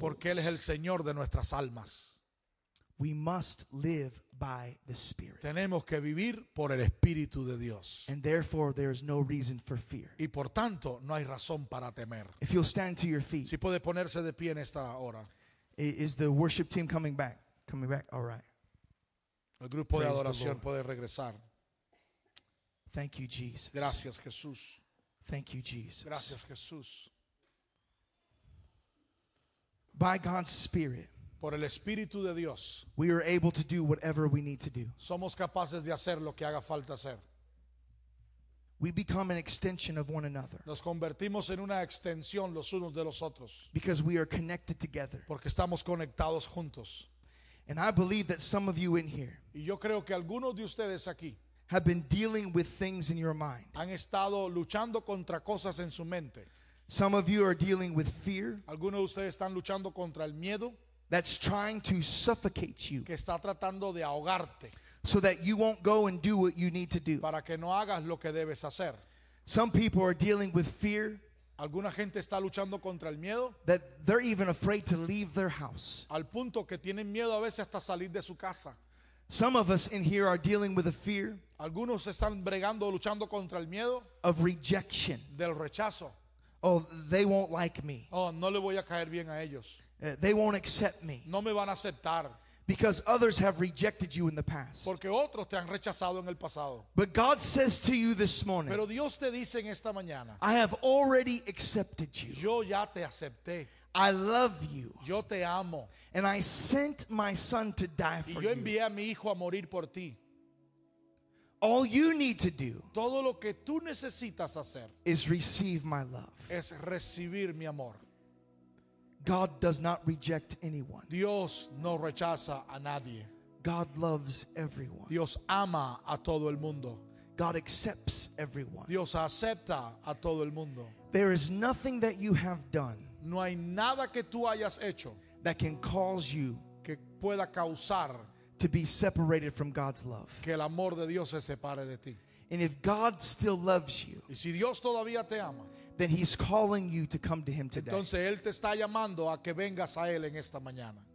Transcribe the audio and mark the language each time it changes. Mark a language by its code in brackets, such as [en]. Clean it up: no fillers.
[es] Porque Él es el Señor de nuestras almas. [en] We must live by the Spirit. [es] Tenemos que vivir por el Espíritu de Dios. [en] And therefore, there is no reason for fear. [es] Y por tanto, no hay razón para temer. [en] If you'll stand to your feet. [es] Si puede ponerse de pie en esta hora. [en] Is the worship team coming back? Coming back? All right. [es] El grupo Praise de adoración puede regresar. [en] Thank you, Jesus. [es] Gracias, Jesús. [en] Thank you, Jesus. [es] Gracias, Jesús. [en] By God's Spirit, [es] por el Espíritu de Dios, [en] we are able to do whatever we need to do. [es] Somos capaces de hacer lo que haga falta hacer. [en] We become an extension of one another. [es] Nos convertimos en una extensión los unos de los otros. [en] Because we are connected together. [es] Porque estamos conectados juntos. [en] And I believe that some of you in here. [es] Y yo creo que algunos de ustedes aquí. [en] Have been dealing with things in your mind. [es] Han estado luchando contra cosas en su mente. [en] Some of you are dealing with fear. [es] Algunos de ustedes están luchando contra el miedo. [en] That's trying to suffocate you. [es] Que está tratando de ahogarte. [en] So that you won't go and do what you need to do. [es] Para que no hagas lo que debes hacer. [en] Some people are dealing with fear. [es] Alguna gente está luchando contra el miedo. [en] That they're even afraid to leave their house. [es] Al punto que tienen miedo a veces hasta salir de su casa. [en] Some of us in here are dealing with a fear. [es] Algunos están bregando, luchando contra el miedo. [en] Of rejection. [es] Del rechazo. [en] Oh, they won't like me. [es] Oh, no le voy a caer bien a ellos. [en] They won't accept me. [es] No me van a aceptar. [en] Because others have rejected you in the past. [es] Porque otros te han rechazado en el pasado. [en] But God says to you this morning. [es] Pero Dios te dice en esta mañana. [en] I have already accepted you. [es] Yo ya te acepté. [en] I love you. [es] Yo te amo. [en] And I sent my son to die for [es] y yo envié [en] you. [es] A mi hijo a morir por ti. [en] All you need to do. [es] Todo lo que tú necesitas hacer. [en] Is receive my love. [es] Es recibir mi amor. [en] God does not reject anyone. [es] Dios no rechaza a nadie. [en] God loves everyone. [es] Dios ama a todo el mundo. [en] God accepts everyone. [es] Dios acepta a todo el mundo. [en] There is nothing that you have done. [es] No hay nada que tú hayas hecho. [en] that can cause you [es] que pueda causar [en] to be separated from God's love. [es] Que el amor de Dios se separe de ti. [en] And if God still loves you, [es] y si Dios todavía te ama, [en] then he's calling you to come to him today. [es] Entonces él te está llamando a que vengas a él en esta mañana.